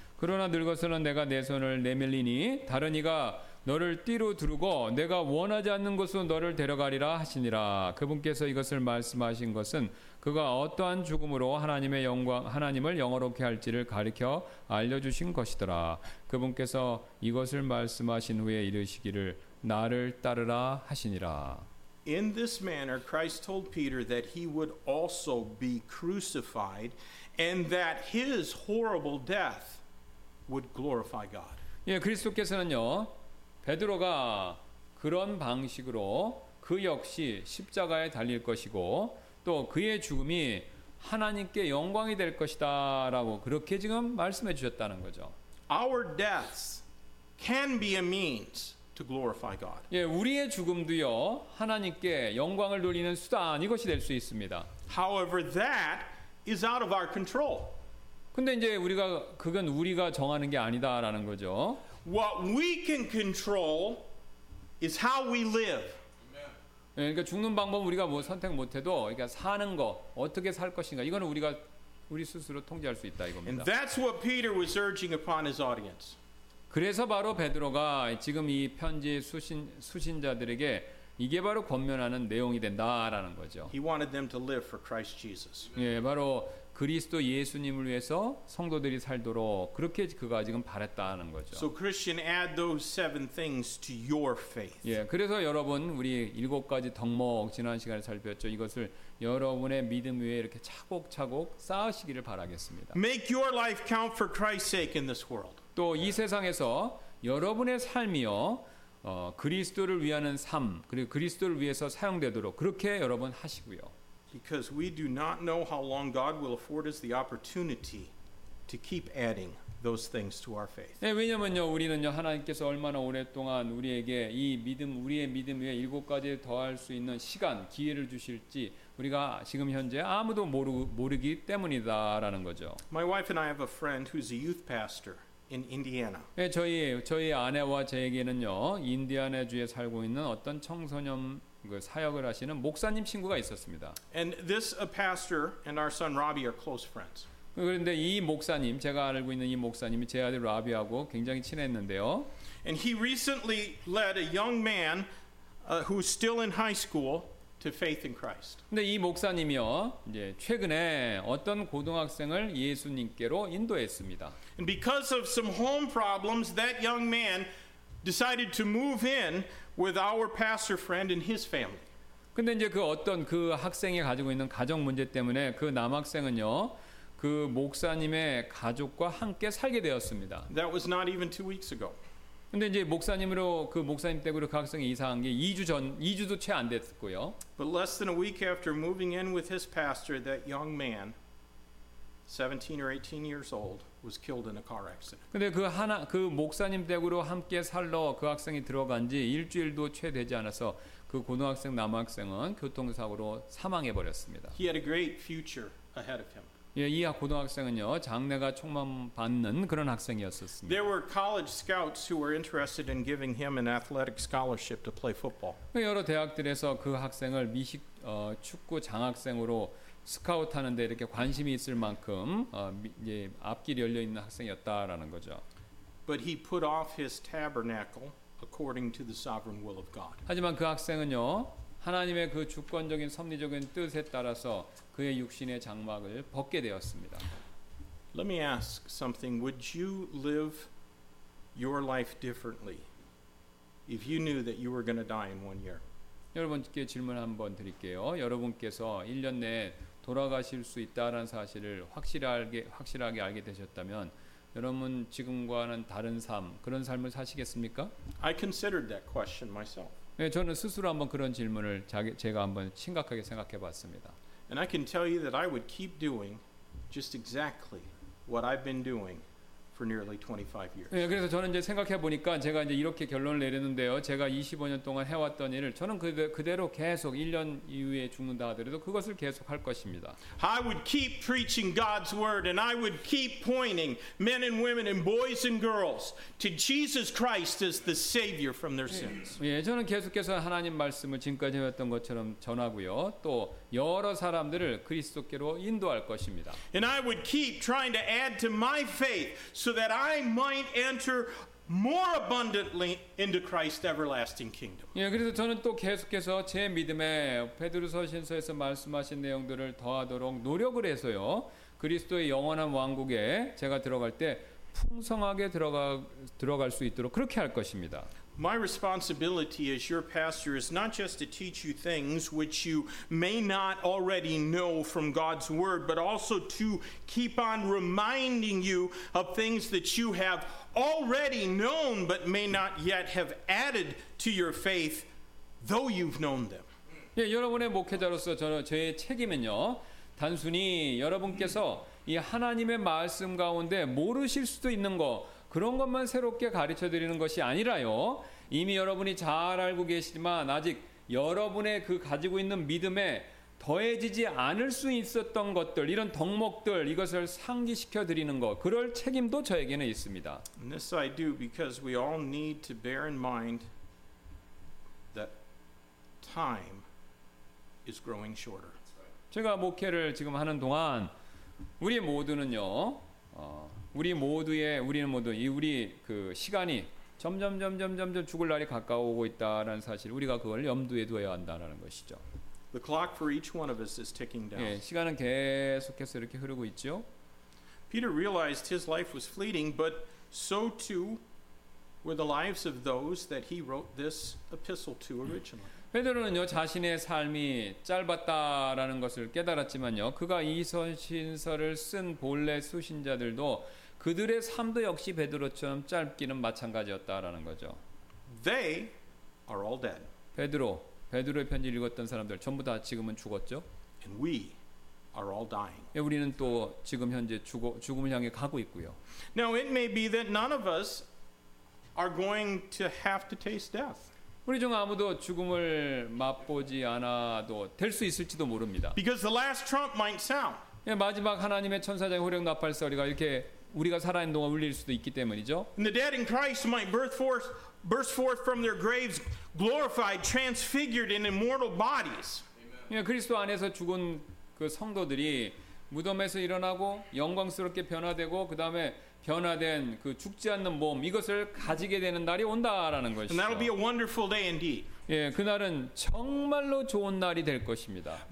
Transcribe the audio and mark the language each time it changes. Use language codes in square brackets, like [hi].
[ko] 그러나 늙어서는 내가 내 손을 내밀리니 다른 이가 너를 띠로 두르고 내가 원하지 않는 곳으로 너를 데려가리라 하시니라. 그분께서 이것을 말씀하신 것은 그가 어떠한 죽음으로 하나님의 영광 하나님을 영화롭게 할지를 가리켜 알려주신 것이더라. 그분께서 이것을 말씀하신 후에 이르시기를 나를 따르라 하시니라. [en] In this manner, Christ told Peter that he would also be crucified and that his horrible death would glorify God. [ko] 예, 그리스도께서는요, 베드로가 그런 방식으로 그 역시 십자가에 달릴 것이고 또 그의 죽음이 하나님께 영광이 될 것이다 라고 그렇게 지금 말씀해 주셨다는 거죠. [en] Our deaths can be a means to glorify God. [ko] 예, 우리의 죽음도요 하나님께 영광을 돌리는 수단 이것이 될 수 있습니다. [en] However, that is out of our control. [ko] 근데 이제 그건 우리가 정하는 게 아니다라는 거죠. [en] What we can control is how we live. [ko] 예, 그러니까 죽는 방법 우리가 뭐 선택 못 해도 그러니까 사는 거 어떻게 살 것인가 이거는 우리 스스로 통제할 수 있다 이겁니다. [en] And that's what Peter was urging upon his audience. [ko] 그래서 바로 베드로가 지금 이 편지의 수신자들에게 이게 바로 권면하는 내용이 된다라는 거죠. [en] He wanted them to live for Christ Jesus. [ko] 예, 바로 그리스도 예수님을 위해서 성도들이 살도록 그렇게 그가 지금 바랬다는 거죠. [en] So Christian, add those seven things to your faith. [ko] 예, 그래서 여러분 우리 일곱 가지 덕목 지난 시간에 살펴봤죠. 이것을 여러분의 믿음 위에 이렇게 차곡차곡 쌓으시기를 바라겠습니다. [en] Make your life count for Christ's sake in this world. [ko] 또 이 세상에서 여러분의 삶이요 그리스도를 위하는 삶 그리고 그리스도를 위해서 사용되도록 그렇게 여러분 하시고요. [en] Because we do not know how long God will afford us the opportunity to keep adding those things to our faith. [ko] 네, 왜냐면요, 우리는요, 하나님께서 얼마나 오랫동안 우리에게 이 믿음, 우리의 믿음 위에 일곱 가지 더할 수 있는 시간, 기회를 주실지 우리가 지금 현재 아무도 모르기 때문이다라는 거죠. [en] My wife and I have a friend who's a youth pastor in Indiana. [ko] 네, 저희 아내와 저에게는요, 인디애나 주에 살고 있는 어떤 청소년 그 사역을 하시는 목사님 친구가 있었습니다. [en] And this a pastor and our son Robbie are close friends. [ko] 그런데 이 목사님, 제가 알고 있는 이 목사님이 제 아들 라비하고 굉장히 친했는데요. [en] And he recently led a young man who's still in high school to faith in Christ. [ko] 근데 이 목사님이요, 이제 최근에 어떤 고등학생을 예수님께로 인도했습니다. [en] And because of some home problems, that young man decided to move in with our pastor friend and his family. [ko] 근데 이제 그 어떤 그 학생이 가지고 있는 가정 문제 때문에 그 남학생은요. 그 목사님의 가족과 함께 살게 되었습니다. [en] That was not even 2 weeks ago. [ko] 근데 이제 목사님으로 그 목사님 댁으로 그 학생이 이사한 게 2주도 채 안 됐고요. [en] But less than a week after moving in with his pastor, that young man 17 or 18 years old was killed in a car accident. [ko] 근데 그 목사님 댁으로 함께 살러 그 학생이 들어간 지 일주일도 채 되지 않아서 그 고등학생 남학생은 교통사고로 사망해 버렸습니다. [en] He had a great future ahead of him. [ko] 예, 이 고등학생은요, 장래가 촉망받는 그런 학생이었었습니다. [en] There were college scouts who were interested in giving him an athletic scholarship to play football. [ko] 여러 대학들에서 그 학생을 미식 축구 장학생으로 스카우트하는데 이렇게 관심이 있을 만큼 이제 앞길이 열려 있는 학생이었다라는 거죠. [en] But he put off his tabernacle according to the sovereign will of God. [ko] 하지만 그 학생은요, 하나님의 그 주권적인 섭리적인 뜻에 따라서 그의 육신의 장막을 벗게 되었습니다. [en] Let me ask something. Would you live your life differently if you knew that you were going to die in 1 year? [ko] 여러분께 질문 한번 드릴게요. 여러분께서 1년 내에 돌아가실 수 있다라는 사실을 확실하게 알게 되셨다면 여러분 지금과는 다른 삶, 그런 삶을 사시겠습니까? [en] I considered that question myself. [ko] 네, 저는 스스로 한번 그런 질문을 제가 한번 심각하게 생각해 봤습니다. [en] And I can tell you that I would keep doing just exactly what I've been doing for nearly 25 years. [ko] 네, 그래서 저는 이제 생각해 보니까 제가 이제 이렇게 결론을 내렸는데요. 제가 25년 동안 해왔던 일을 저는 그대로 계속 1년 이후에 죽는다 하더라도 그것을 계속 할 것입니다. [en] I would keep preaching God's word and I would keep pointing men and women and boys and girls to Jesus Christ as the savior from their sins. [ko] 예, 네, 저는 계속해서 하나님 말씀을 지금까지 해왔던 것처럼 전하고요. 또 여러 사람들을 그리스도께로 인도할 것입니다. [en] And I would keep trying to add to my faith so that I might enter more abundantly into Christ's everlasting kingdom. [ko] 예, 그래서 저는 또 계속해서 제 믿음에 베드로 서신서에서 말씀하신 내용들을 더하도록 노력을 해서요. 그리스도의 영원한 왕국에 제가 들어갈 때 풍성하게 들어갈 수 있도록 그렇게 할 것입니다. [en] My responsibility as your pastor is not just to teach you things which you may not already know from God's word, but also to keep on reminding you of things that you have already known but may not yet have added to your faith, though you've known them. [ko] 예, 여러분의 목회자로서 저는 제 책임은요, 단순히 여러분께서 이 하나님의 말씀 가운데 모르실 수도 있는 거 그런 것만 새롭게 가르쳐 드리는 것이 아니라요. 이미 여러분이 잘 알고 계시지만 아직 여러분의 그 가지고 있는 믿음에 더해지지 않을 수 있었던 것들, 이런 덕목들, 이것을 상기시켜 드리는 것, 그럴 책임도 저에게는 있습니다. [en] And this I do because we all need to bear in mind that time is growing shorter. [ko] 제가 목회를 지금 하는 동안 우리 모두는요. 우리 그 시간이 점점 죽을 날이 가까워오고 있다라는 사실 우리가 그걸 염두에 두어야 한다라는 것이죠. [en] The clock for each one of us is ticking down. [ko] 예, 시간은 계속해서 이렇게 흐르고 있죠. [en] Peter realized his life was fleeting, but so too were the lives of those that he wrote this epistle to originally. [ko] 베드로는요, 자신의 삶이 짧았다라는 것을 깨달았지만요, 그가 이 서신서를 쓴 본래 수신자들도 그들의 삶도 역시 베드로처럼 짧기는 마찬가지였다라는 거죠. [en] They are all dead. [ko] 베드로의 편지를 읽었던 사람들 전부 다 지금은 죽었죠. [en] And we are all dying. [ko] 예, 우리는 또 지금 현재 죽음을 향해 가고 있고요. [en] Now it may be that none of us are going to have to taste death. [ko] 우리 중 아무도 죽음을 맛보지 않아도 될 수 있을지도 모릅니다. [en] Because the last trump might sound. [ko] 예, 마지막 하나님의 천사장의 호령 나팔소리가 이렇게 우리가 살아있는 동안 울릴 수도 있기 때문이죠. [en] And the dead in Christ might burst forth from their graves, glorified, transfigured in immortal bodies. [ko] 예, 그리스도 안에서 죽은 그 성도들이 무덤에서 일어나고 영광스럽게 변화되고 그 다음에 변화된 그 죽지 않는 몸 이것을 가지게 되는 날이 온다라는 것이죠. [en] And that'll be a wonderful day indeed. [ko] 예, 그날은 정말로 좋은 날이 될 것입니다.